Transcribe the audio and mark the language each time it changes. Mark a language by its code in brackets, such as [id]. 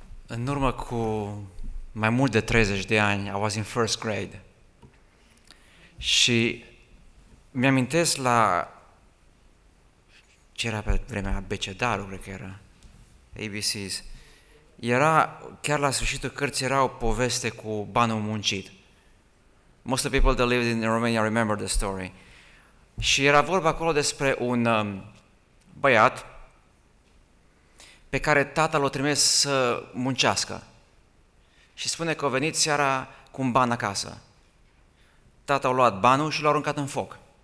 [ro] În urmă cu mai mult de 30 de ani, [en] I was in first grade. [ro] Și mi-amintesc la ce era pe vremea abecedarul, cred că era, ABCs. Era, chiar la sfârșitul cărții, era o poveste cu banul muncit. [en] Most of the people that lived in Romania remember the story. [ro] Și era vorba acolo despre un băiat pe care tatăl o trimis să muncească. Și spune că a venit seara cu un ban acasă. Tatăl a luat banul și l-a aruncat în foc.